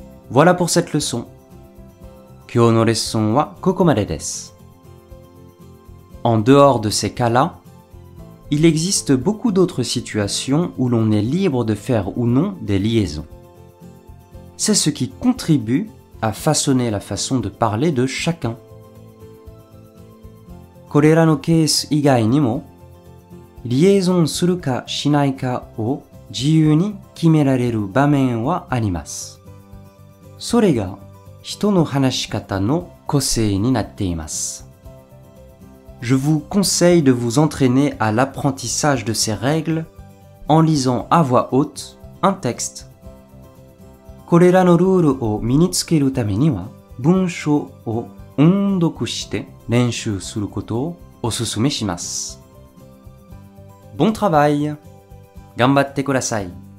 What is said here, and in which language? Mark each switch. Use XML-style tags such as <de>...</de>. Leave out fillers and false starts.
<fr>Voilà pour cette leçon.</fr> <ja>今日のレッスンはここまでです。</ja> <fr>En dehors de ces cas-là, il existe beaucoup d'autres situations où l'on est libre de faire ou non des liaisons. C'est ce qui contribue à façonner la façon de parler de chacun.</fr> <ja>これらのケース以外にも、リエゾンするかしないかを自由に決められる場面はあります。それが人の話し方の個性になっています。</ja> <fr>Je vous conseille de vous entraîner à l'apprentissage de ces règles en lisant à voix haute un texte.</fr> <ja>これらのルールを身につけるためには、文章を音読して練習することをおすすめします。</ja> <fr>Bon travail!</fr> <ja>頑張ってください。</ja>